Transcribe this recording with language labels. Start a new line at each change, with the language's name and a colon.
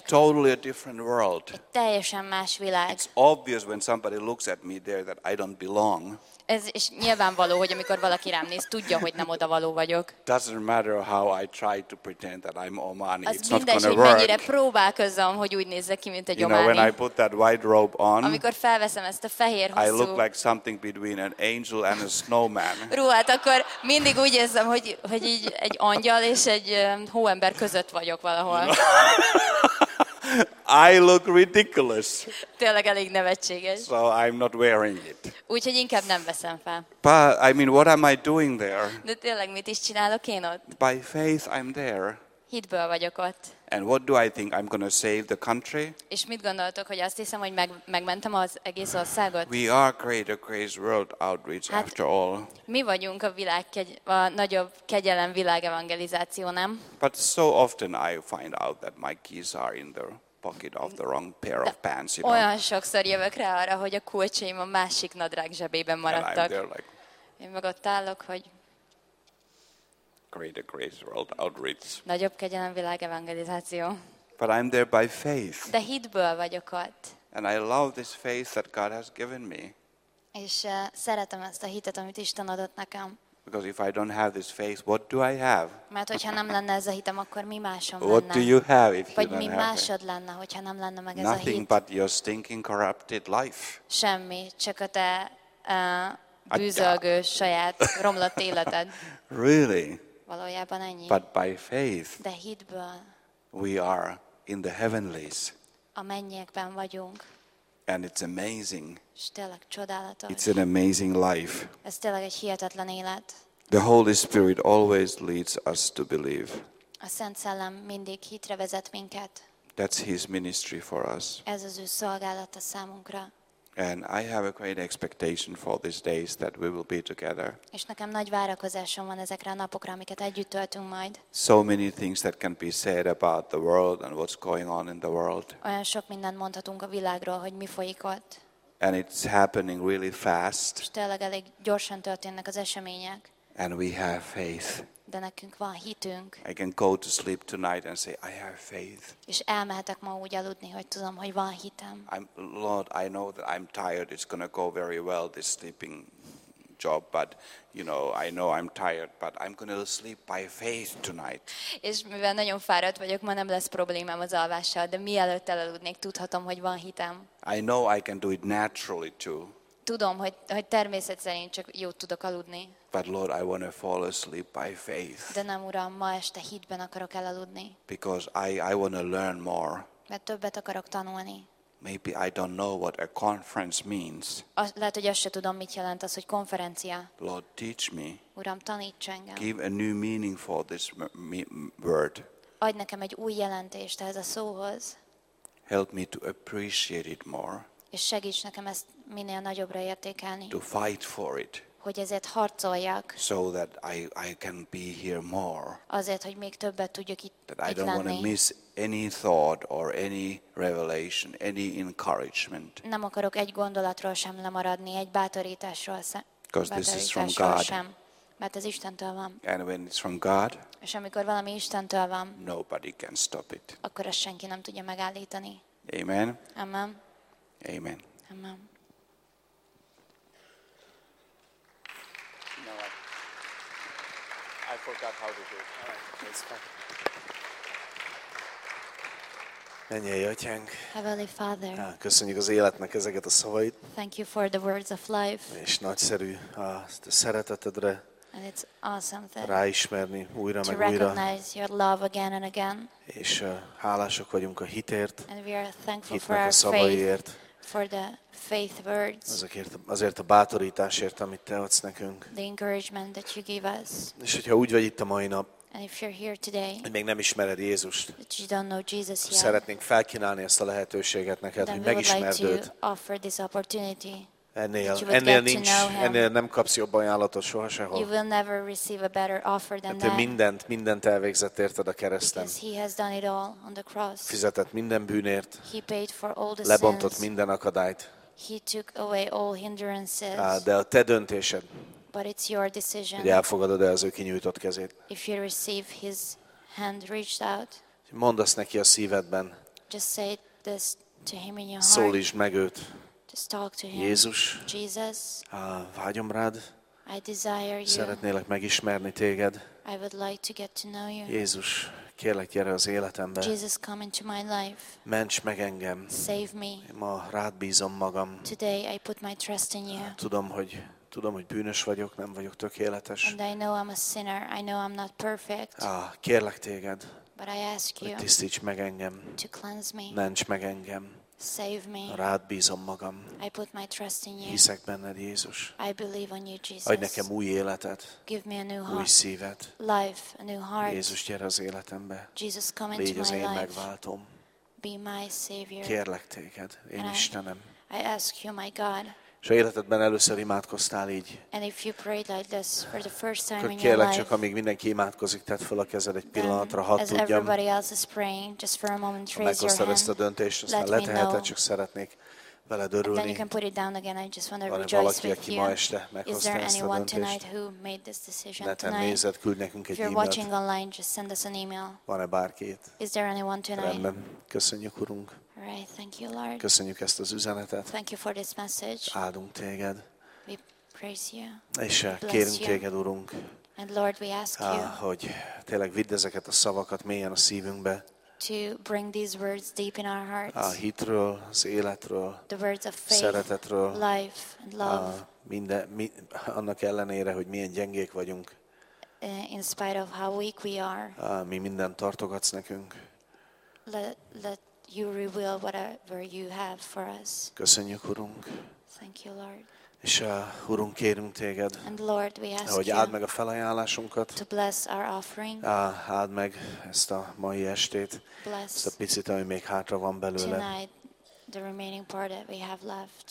English: It's totally a different world.
Hungarian: Egy teljesen más világ.
English: It's obvious when somebody looks at me there that I don't belong.
Hungarian: Ez is nyilvánvaló, hogy amikor valaki rám néz, tudja, hogy nem odavaló vagyok.
English: Doesn't matter how I try to pretend that I'm Omani. It's not gonna work.
Hungarian: Mindegy, mennyire próbálkozom, hogy úgy nézzek ki, mint egy Omani.
English: You know, when I put that white robe on,
Hungarian: amikor felveszem ezt a fehér hosszú,
English: I look like something between an angel and a snowman.
Hungarian: Ruhát, akkor mindig úgy érzem, hogy így egy angyal és egy hóember között vagyok valahol.
English: I look ridiculous.
Hungarian: Tényleg elég nevetséges.
English: So I'm not wearing it.
Hungarian: Úgyhogy inkább nem veszem fel.
English: But I mean, what am I doing there?
Hungarian: De tényleg mit is csinálok én ott?
English: By faith I'm there.
Hungarian: Hitből vagyok ott.
English: And what do I think I'm going to save the country?
Hungarian: És mit gondoltok, hogy azt hiszem, hogy megmentem az egész országot?
English: We are Greater Grace World Outreach after all.
Hungarian: Mi vagyunk a világ a nagyobb kegyelem világevangelizáció, nem?
English: But so often I find out that my keys are in the pocket of the wrong pair of pants, you know.
Hungarian: Olyan sokszor jövök rá arra, hogy a kulcsaim a másik nadrág zsebében maradtak. Én meg ott állok, hogy
English: Greater Grace World Outreach.
Hungarian: Nagyobb kegyelem világ evangelizáció.
English: But I'm there by faith.
Hungarian: De hitből vagyok ott.
English: And I love this faith that God has given me.
Hungarian: És szeretem ezt a hitet, amit Isten adott nekem.
English: Because if I don't have this faith, what do I have?
Hungarian: Mert hogyha nem lenne ez a hitem, akkor mi másom lenne?
English: What do you have if you have it?
Hungarian: Vagy mi másod lenne, hogyha nem lenne meg ez a hit?
English: Nothing but your stinking, corrupted life.
Hungarian: Semmi, csak a te bűzölgő saját romlott életed.
English: Really?
Hungarian: Valójában ennyi.
English: But by faith,
Hungarian: de hitből,
English: we are in the heavenlies.
Hungarian: A mennyekben vagyunk.
English: And it's amazing.
Hungarian: És tényleg csodálatos.
English: It's an amazing life.
Hungarian: Ez tényleg egy hihetetlen élet.
English: The Holy Spirit always leads us to believe.
Hungarian: A Szent Szellem mindig hitre vezet minket.
English: That's his ministry for us.
Hungarian: Ez az ő szolgálata számunkra.
English: And I have a great expectation for these days that we will be together.
Hungarian: És nekem nagy várakozásom van ezekre a napokra, amiket együtt töltünk majd.
English: So many things that can be said about the world and what's going on in the world.
Hungarian: Olyan sok mindent mondhatunk a világról, hogy mi folyik ott.
English: And it's happening really fast.
Hungarian: És tényleg elég gyorsan történnek az események.
English: And we have faith.
Hungarian: De nekünk van hitünk.
English: I can go to sleep tonight and say I have faith.
Hungarian: És elmehetek ma úgy aludni, hogy tudom, hogy van hitem.
English: Lord, I know that I'm tired. It's going to go very well this sleeping job, but you know I'm tired, but I'm going to sleep by faith tonight.
Hungarian: És mivel nagyon fáradt vagyok, ma nem lesz problémám az alvással, de mielőtt elaludnék, tudhatom, hogy van hitem.
English: I know I can do it naturally too.
Hungarian: Tudom, hogy természet szerint csak jót tudok aludni.
English: But Lord, I want to fall asleep by faith.
Hungarian: De nem, Uram, ma este hitben akarok elaludni.
English: Because I want to learn more.
Hungarian: Mert többet akarok tanulni.
English: Maybe I don't know what a conference means.
Hungarian: Lehet, hogy azt se tudom, mit jelent az, hogy konferencia.
English: Lord, teach me.
Hungarian: Uram, taníts engem.
English: Give a new meaning for this word.
Hungarian: Adj nekem egy új jelentést ehhez a szóhoz.
English: Help me to appreciate it more.
Hungarian: És segíts nekem ezt minél nagyobbra értékelni.
English: To fight for it.
Hungarian: Hogy ezért harcoljak.
English: So that I can be here more.
Hungarian: Azért, hogy még többet tudjak itt lenni.
English: That I don't want to miss any thought or any revelation, any encouragement.
Hungarian: Nem akarok egy gondolatról sem lemaradni, egy bátorításról sem.
English: Because this is from God.
Hungarian: Mert ez Istentől van.
English: And when it's from God,
Hungarian: és amikor valami Istentől van,
English: nobody can stop it.
Hungarian: Akkor ezt senki nem tudja megállítani. Amen. Amen. Amen. Amen.
English: No, I forgot how to do it. All right, let's start.
Hungarian: Mennyei Atyánk,
English: Heavenly Father,
Hungarian: köszönjük az életnek ezeket a szavait.
English: Thank you for the words of life.
Hungarian: És nagyszerű azt a szeretetedre.
English: And it's awesome that
Hungarian: ráismerni újra
English: to
Hungarian: meg újra.
English: Recognize your love again and again.
Hungarian: És hálások vagyunk a hitért.
English: And we are thankful
Hungarian: hitnek
English: for
Hungarian: a
English: our
Hungarian: szavaiért.
English: Faith. For the faith words.
Hungarian: Azért a bátorításért, amit te adsz nekünk.
English: The encouragement that you give us.
Hungarian: És hogyha úgy vagy itt a mai nap,
English: and if you're here today,
Hungarian: hogy még nem ismered Jézust,
English: that you don't know Jesus yet,
Hungarian: szeretnénk felkínálni ezt a lehetőséget neked, hogy megismerd őt.
English: Then we would like to offer this opportunity.
Hungarian: Ennél nincs, ennél nem kapsz jobb ajánlatot soha sehol.
English: You will never receive a better offer than that.
Hungarian: Mindent elvégzett érted a kereszten.
English: Because he has done it all on the cross.
Hungarian: Fizetett minden bűnért.
English: He paid for all the sins.
Hungarian: Lebontott minden akadályt.
English: He took away all hindrances.
Hungarian: De a te döntésed.
English: But it's your decision.
Hungarian: Hogy elfogadod-e az ő kinyújtott kezét.
English: If you receive his hand reached out.
Hungarian: Mondd azt neki a szívedben.
English: Just say this to him in your heart.
Hungarian: Szólítsd meg őt.
English: Just talk to him.
Hungarian: Jézus.
English: Jesus.
Hungarian: Vágyom rád.
English: I desire you.
Hungarian: Szeretnélek megismerni téged.
English: I would like to get to know you.
Hungarian: Jézus, kérlek, gyere az életembe.
English: Jesus, come into my life.
Hungarian: Ments meg engem.
English: Save me.
Hungarian: Ma rád bízom magam.
English: Today I put my trust in you.
Hungarian: Tudom, hogy bűnös vagyok, nem vagyok tökéletes.
English: And I know I'm a sinner. I know I'm not perfect.
Hungarian: Kérlek téged.
English: But I ask you.
Hungarian: Tisztíts meg engem.
English: To cleanse me.
Hungarian: Ments meg engem.
English: Save me.
Hungarian: Rád bízom magam.
English: I put my trust in you.
Hungarian: Hiszek benned, Jézus.
English: I believe on you, Jesus.
Hungarian: Adj nekem új életet.
English: Give me a new heart.
Hungarian: Új szívet.
English: Life, a new heart.
Hungarian: Jézus, gyere az életembe.
English: Jesus, come into my life.
Hungarian: Légy az én megváltom.
English: Be my savior.
Hungarian: Kérlek téged, én Istenem.
English: I ask you, my God.
Hungarian: És a életedben először imádkoztál így.
English: And if you prayed like this for the first time in your life.
Hungarian: Kérlek csak, amíg mindenki imádkozik, tedd fel a kezed egy pillanatra, hadd tudjam.
English: As everybody else is praying, just for a moment raise your hand.
Hungarian: Meghoztad ezt a döntést, aztán leteheted, csak szeretnék veled örülni.
English: And then you can put it down again. I just want to rejoice
Hungarian: valaki,
English: with you. Is there anyone tonight who made this decision tonight?
Hungarian: Neten nézed, küld nekünk egy e-mailt.
English: If you're watching online, just send us an email.
Hungarian: Van-e bárkit?
English: Is there anyone tonight?
Hungarian: Rendben. Köszönjük, Urunk.
English: Right, thank you, Lord.
Hungarian: Köszönjük ezt az üzenetet.
English: Thank you for this message.
Hungarian: Áldunk téged.
English: We praise you.
Hungarian: És kérünk téged, Urunk.
English: And Lord, we ask you.
Hungarian: Hogy tényleg vidd ezeket a szavakat mélyen a szívünkbe.
English: To bring these words deep in our hearts.
Hungarian: A hitről, az életről.
English: The words of faith.
Hungarian: Szeretetről.
English: Life and love.
Hungarian: Annak ellenére, hogy milyen gyengék vagyunk.
English: In spite of how weak we are.
Hungarian: Mi mindent tartogatsz nekünk.
English: Let you reveal whatever you have for us.
Hungarian: Köszönjük, Urunk.
English: Thank you, Lord.
Hungarian: És Urunk, kérünk téged.
English: And Lord, we ask
Hungarian: hogy áld meg a felajánlásunkat.
English: To bless our offering.
Hungarian: Áld meg ezt a mai estét.
English: Bless.
Hungarian: Ezt a picit, ami még hátra van belőle.
English: Tonight, the remaining part that we have left.